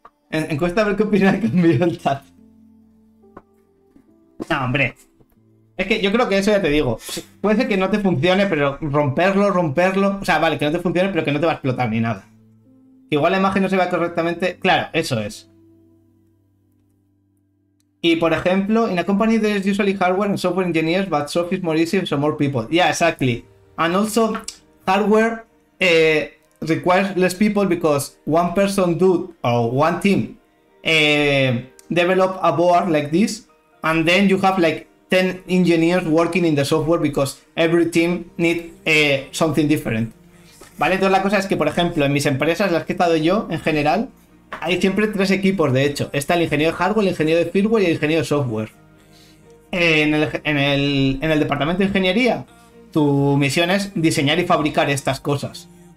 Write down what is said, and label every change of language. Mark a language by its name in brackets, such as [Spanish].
[Spanish] Encuesta a ver qué opina el cambio el chat. No, hombre. Es que yo creo que eso ya te digo. Puede ser que no te funcione, pero romperlo. O sea, vale, que no te funcione, pero que no te va a explotar ni nada. Que igual la imagen no se vea correctamente. Claro, eso es. Y por ejemplo, [English] in a company there is usually hardware and software engineers, but software is more easy for more people. Yeah, exactly. And also, hardware requires less people because one person do, or one team, develop a board like this, and then you have like 10 engineers working in the software because every team needs something different. [Spanish] ¿Vale? Entonces la cosa es que, por ejemplo, en mis empresas, las que he estado yo, en general, hay siempre tres equipos, de hecho. Está el ingeniero de hardware, el ingeniero de firmware y el ingeniero de software. En el departamento de ingeniería, tu misión es diseñar y fabricar estas cosas.